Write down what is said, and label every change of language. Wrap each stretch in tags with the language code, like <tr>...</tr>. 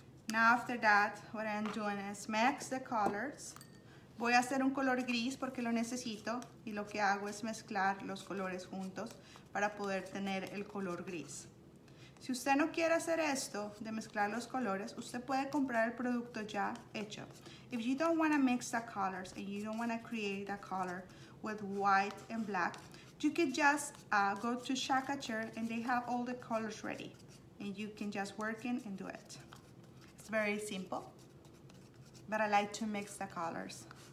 <en>Now after that, what I'm doing is mix the colors.</en> <es>Voy a hacer un color gris porque lo necesito y lo que hago es mezclar los colores juntos para poder tener el color gris. Si usted no quiere hacer esto de mezclar los colores, usted puede comprar el producto ya hecho.</es> <en>If you don't want to mix the colors and you don't want to create a color with white and black, you can just go to Shakacher and they have all the colors ready. And you can just work in and do it. It's very simple, but I like to mix the colors.</en>